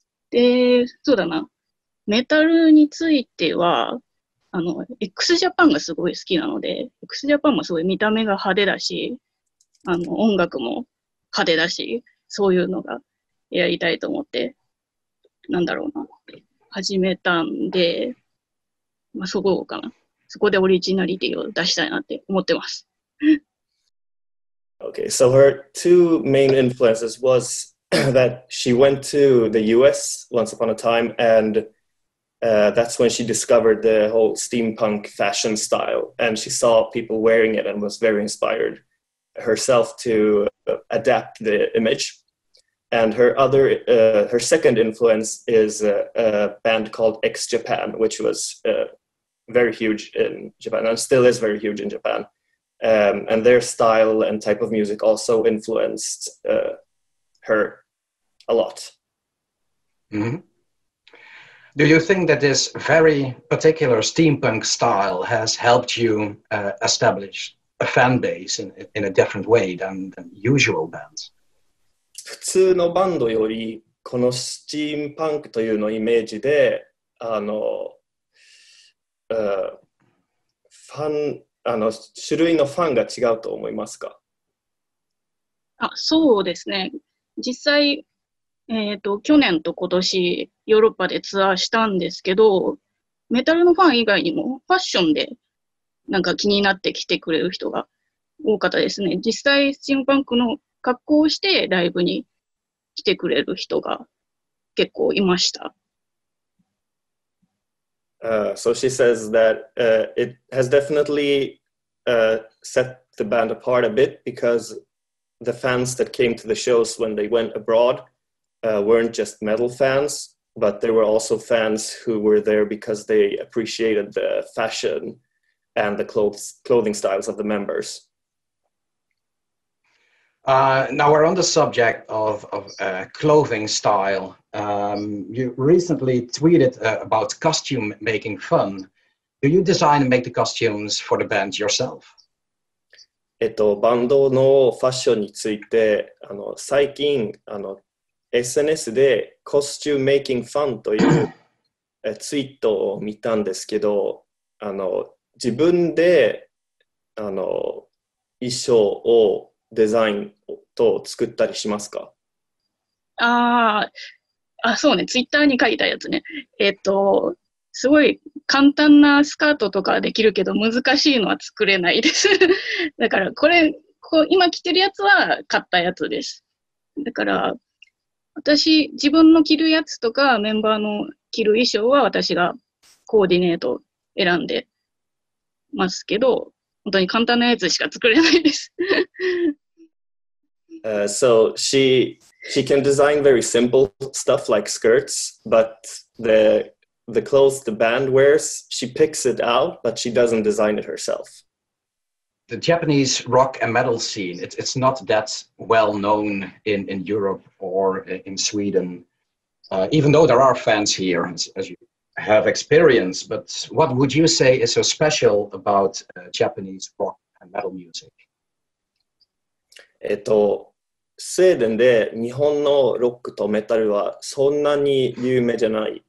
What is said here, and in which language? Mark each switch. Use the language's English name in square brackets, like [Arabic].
[Japanese] で、そうだな、メタルについては XJAPAN がすごい好きなので、 XJAPAN もすごい見た目が派手だし、音楽も派手だし、そういうのがやりたいと思って、なんだろうな、始めたんで、まあ、そこかな。そこでオリジナリティを出したいなって思ってます。 [English] Okay, so her two main influences was that she went to the US once upon a time, and that's when she discovered the whole steampunk fashion style, and she saw people wearing it and was very inspired herself to adapt the image. And her second influence is a band called XJAPAN, which was very huge in Japan and still is very huge in Japan. And their style and type of music also influenced her a lot. Mm-hmm. Do you think that this very particular steampunk style has helped you establish a fan base in a different way than usual bands? [Japanese] 普通のバンドよりこのスチームパンクというのイメージで、ファン、種類のファンが違うと思いますか？あ、そうですね。実際、去年と今年ヨーロッパでツアーしたんですけど、メタルのファン以外にもファッションでなんか気になって来てくれる人が多かったですね。実際スチームパンクの格好をしてライブに来てくれる人が結構いました。 [English] So she says that it has definitely set the band apart a bit because the fans that came to the shows when they went abroad weren't just metal fans, but there were also fans who were there because they appreciated the fashion and the clothing styles of the members. Now we're on the subject of clothing style. You recently tweeted about costume making fun. Do you design and make the costumes for the band yourself? [Japanese] バンドのファッションについて、最近SNS でコスチュームメイキングファンというツイートを見たんですけど、自分で衣装をデザインと作ったりしますか？ああ、そうね、ツイッターに書いたやつね。すごい簡単なスカートとかできるけど難しいのは作れないです。だからこれ、今着てるやつは買ったやつです。だから私、自分の着るやつとかメンバーの着る衣装は私がコーディネート選んでますけど、本当に簡単なやつしか作れないです。 [English] So she can design very simple stuff like skirts, but the clothes the band wears, she picks it out, but she doesn't design it herself. The Japanese rock and metal scene, it's not that well known in Europe or in Sweden, even though there are fans here, as you have experience. But what would you say is so special about Japanese rock and metal music? [Japanese] スウェーデンで日本のロックとメタルはそんなに有名じゃない。